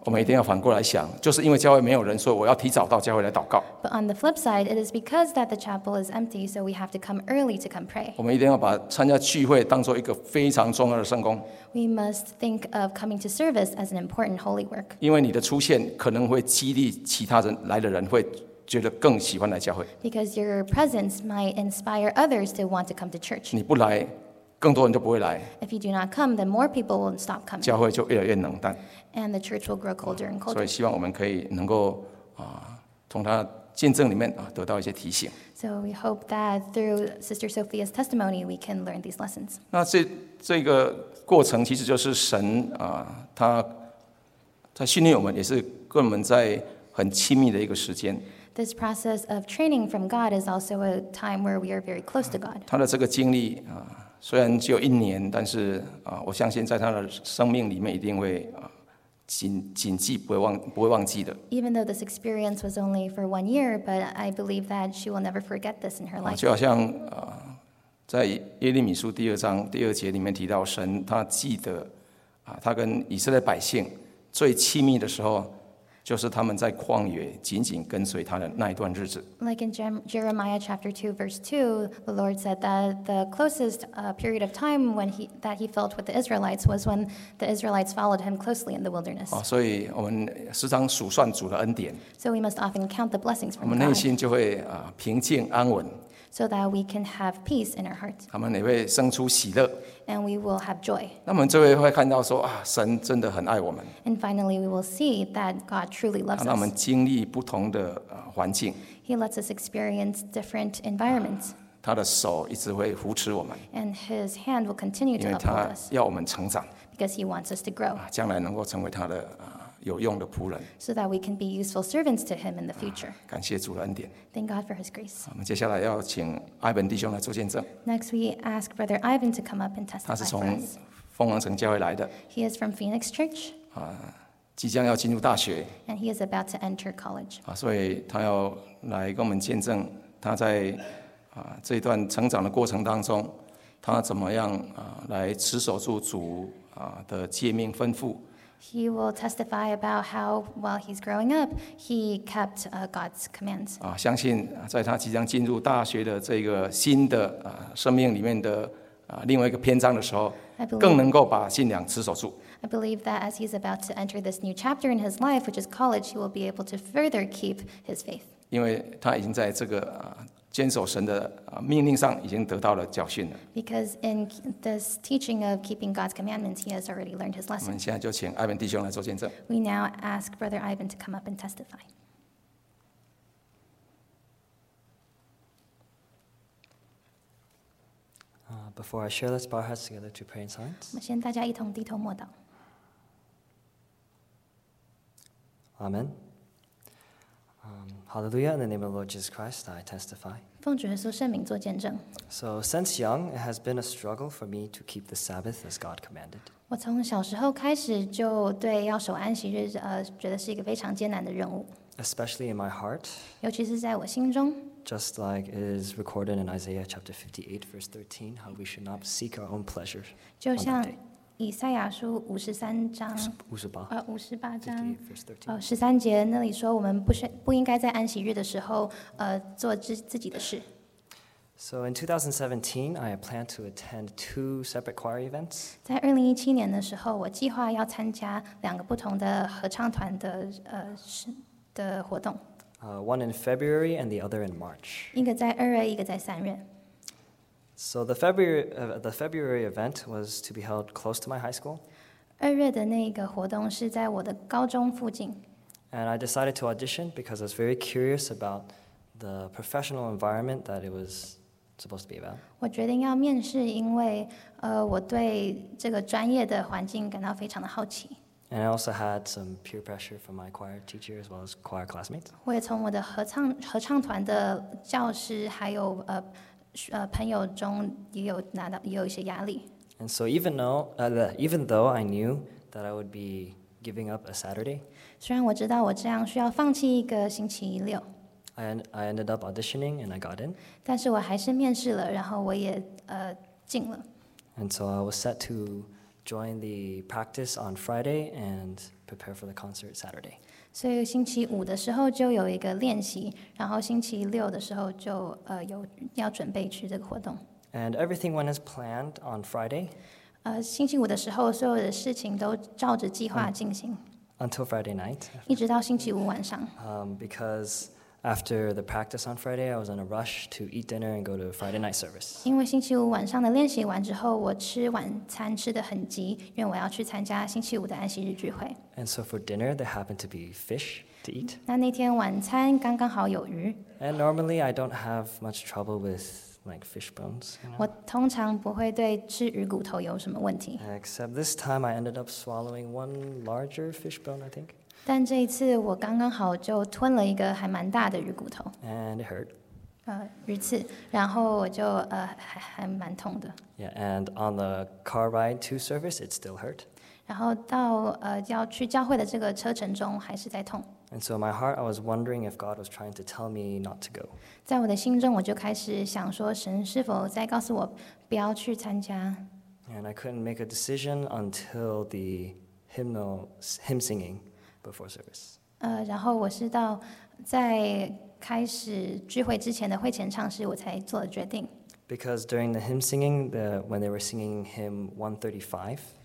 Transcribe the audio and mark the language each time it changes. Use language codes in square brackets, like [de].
[zh] 我们一定要反过来想，就是因为教会没有人，所以我要提早到教会来祷告。 [en] But on the flip side, it is because that the chapel is empty, so we have to come early to come pray. [zh] 我们一定要把参加聚会当做一个非常重要的圣工。 [en] We must think of coming to service as an important holy work. [zh] 因为你的出现可能会激励其他人来的人会。觉得更喜欢来教会。 [en] Because your presence might inspire others to want to come to church. [zh] 你不来，更多人就不会来。 [en] If you do not come, then more people will stop coming. [zh] 教会就越来越冷淡。 [en] And the church will grow colder and colder. [zh] 所以希望我们可以能够从他见证里面得到一些提醒。 [en] So we hope that through Sister Sophia's testimony, we can learn these lessons. [zh] 那这个过程其实就是神他在训练我们，也是跟我们在很亲密的一个时间。 [en] This process of training from God is also a time where we are very close to God. [zh] 他的这个经历虽然只有一年，但是我相信在他的生命里面一定会谨记不会忘记的。 [en] Even though this experience was only for 1 year, but I believe that she will never forget this in her life. [zh] 就好像在耶利米书第二章第二节里面提到，神他记得他跟以色列百姓最亲密的时候，就是他们在旷野紧紧跟随他的那一段日子。 [en] Like in Jeremiah chapter 2 verse 2, the Lord said that the closest period of time when he felt with the Israelites was when the Israelites followed him closely in the wilderness. [zh] 所以我们时常数算主的恩典。 [en] So we must often count the blessings from God. [zh] 我们内心就会平静安稳。 [en] So that we can have peace in our hearts. [zh] 他们也会生出喜乐。 [en] And we will have joy. [zh] 那么就会看到说神真的很爱我们。 [en] And finally, we will see that God truly loves us. [zh] 让我们经历不同的环境。 [en] He lets us experience different environments. [zh] 他的手一直会扶持我们。 [en] And his hand will continue to uphold us. [zh] 为他要我们成长。 [en] Because he wants us to grow. [zh] 将来能够成为他的有用的仆人。 [en] So that we can be useful servants to him in the future. [zh] 感谢主的恩典。 [en] Thank God for his grace. [zh] 我们接下来要请 Ivan 弟兄来做见证。 [en] Next, we ask Brother Ivan to come up and testify for us. [zh] 他是从凤凰城教会来的。 [en] He is from Phoenix Church. [zh] 即将要进入大学。 [en] And he is about to enter college. [zh] 所以他要来跟我们见证他在这段成长的过程当中，他怎么样来持守住主的诫命吩咐。 [en] He will testify about how, while he's growing up, he kept God's commands. [zh] 相信在他即将进入大学的这个新的生命里面的另外一个篇章的时候，更能够把信仰持守住。 [en] I believe that as he's about to enter this new chapter in his life, which is college, he will be able to further keep his faith. [zh] 因为他已经在这个坚守神的命令上已经得到了教训了。 [en] Because in this teaching of keeping God's commandments, he has already learned his lesson. [zh] 我们现在就请 Ivan 弟兄来做见证。 [en] We now ask Brother Ivan to come up and testify. 啊 ，Before I share, let's bow our heads together to pray in silence. [zh] 我们先大家一同低头默祷。 [en] Amen. Hallelujah! In the name of the Lord Jesus Christ, I testify. [zh] 奉主耶稣圣名做见证。 [en] So since young, it has been a struggle for me to keep the Sabbath as God commanded. [zh] 我从小时候开始就对要守安息日觉得是一个非常艰难的任务。 [en] Especially in my heart. [zh] 尤其是在我心中。 [en] Just like it is recorded in Isaiah chapter 58, verse 13, how we should not seek our own pleasure. [zh] 就像以赛亚书五十三章，五十八，五十八章，十三节那里说，我们不应该在安息日的时候，做自己的事。 [en] So in 2017, I plan to attend two separate choir events. [zh] 在二零一七年的时候，我计划要参加两个不同的合唱团的的活动。 [en] One in February and the other in March. [zh] 一个在二月，一个在三月。 [en] So the February event was to be held close to my high school. [zh] 二月的那个活动是在我的高中附近。 [en] And I decided to audition because I was very curious about the professional environment that it was supposed to be about. [zh] 我决定要面试，因为我对这个专业的环境感到非常的好奇。 [en] And I also had some peer pressure from my choir teacher as well as choir classmates. [zh] 我也从我的合唱团的教师还有朋友中也有拿到也有一些压力。 [en] And so even though I knew that I would be giving up a Saturday, [zh] 虽然我知道我这样需要放弃一个星期六。 [en] I ended up auditioning and I got in. [zh] 但是我还是面试了，然后我也进了。 [en] And so I was set to join the practice on Friday and prepare for the concert Saturday. [zh] 所以星期五的时候就有一个练习，然后星期六的时候就有要准备去这个活动。 [en] And everything went as planned on Friday. [zh] 星期五的时候所有的事情都照着计划进行。 [en] Until Friday night. [zh] 一直到星期五晚上。 [en] Because after the practice on Friday, I was in a rush to eat dinner and go to Friday night service. [zh] 因为星期五晚上的练习完之后，我吃晚餐吃得很急，因为我要去参加星期五的安息日聚会。 [en] And so for dinner, there happened to be fish to eat. [zh] 那天晚餐刚刚好有鱼。 [en] And normally, I don't have much trouble with like fish bones. You know? [zh] 我通常不会对吃鱼骨头有什么问题。 [en] Except this time, I ended up swallowing one larger fish bone, I think. [zh] 但这一次我刚刚好就吞了一个还蛮大的鱼骨头。 [en] And it hurt. [zh] 鱼刺，然后我就还蛮痛的。 [en] Yeah, and on the car ride to service, it still hurt. [zh] 然后到要去教会的这个车程中还是在痛。 [en] And so in my heart, I was wondering if God was trying to tell me not to go. [zh] 在我的心中，我就开始想说，神是否在告诉我不要去参加。 [en] And I couldn't make a decision until the hymn singing before service. [zh] 然后我是到在开始聚会之前的会前唱诗，我才做了决定。 [en] Because during the hymn singing, when they were singing hymn 135.